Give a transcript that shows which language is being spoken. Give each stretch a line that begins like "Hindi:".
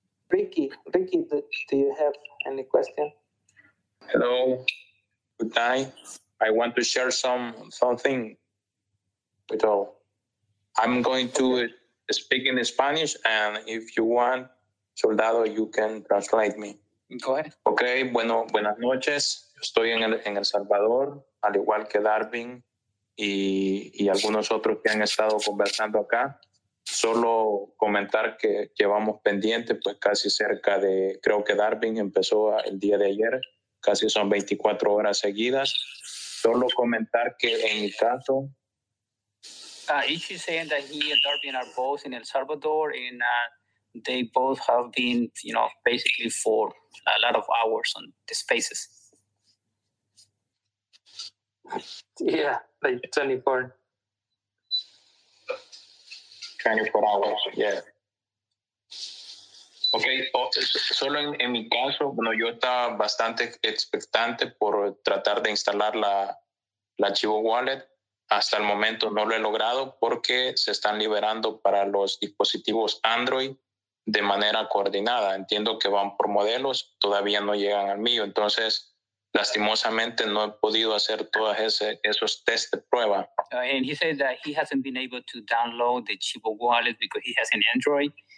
English: Ricky, do you have any question? Hello, good night. I want to share something with all. I'm going to speak in Spanish, and if you want, Soldado, you can translate me. Go ahead.
Spanish: Okay, bueno, buenas noches. Estoy en El Salvador, al igual que Darwin y algunos otros que han estado conversando acá. Solo comentar que llevamos pendiente, pues casi cerca de, creo que Darwin empezó el día de ayer, casi son 24 horas seguidas. Solo comentar que en mi caso...
English: Ishii saying that he and Darwin are both in El Salvador, and they both have been, you know, basically for a lot of hours on the spaces. Yeah, like 24. 24 hours, yeah.
Spanish: Okay, solo en mi caso, bueno, yo estaba bastante expectante por tratar de instalar la Chivo Wallet. Hasta el momento no lo he logrado porque se están liberando para los dispositivos Android de manera coordinada. Entiendo que van por modelos, todavía no llegan al mío. Entonces, lastimosamente, no he podido hacer todos esos test de prueba.
English: And he said that he hasn't been able to download the Chivo Wallet because he has an Android.